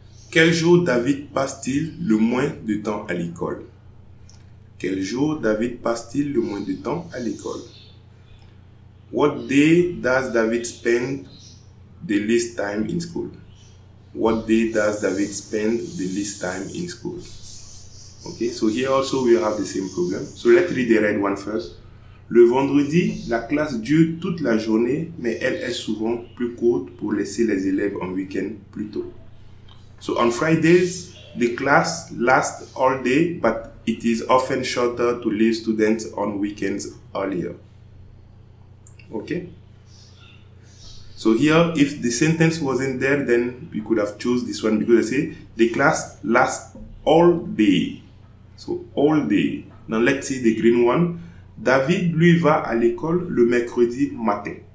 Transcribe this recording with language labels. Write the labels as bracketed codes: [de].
[fr] Quel jour David passe-t-il le moins de temps à l'école? Quel jour David passe-t-il le moins de temps à l'école? [en] What day does David spend the least time in school? What day does David spend the least time in school? Okay, so here also we have the same problem. So let's read the red one first. [fr] Le vendredi, la classe dure toute la journée, mais elle est souvent plus courte pour laisser les élèves en week-end plus tôt. [en] So on Fridays, the class lasts all day, but it is often shorter to leave students on weekends earlier. Okay? So here, if the sentence wasn't there, then we could have chose this one because I say the class lasts all day. So all day. Now let's see the green one. [fr] David lui va à l'école le mercredi matin.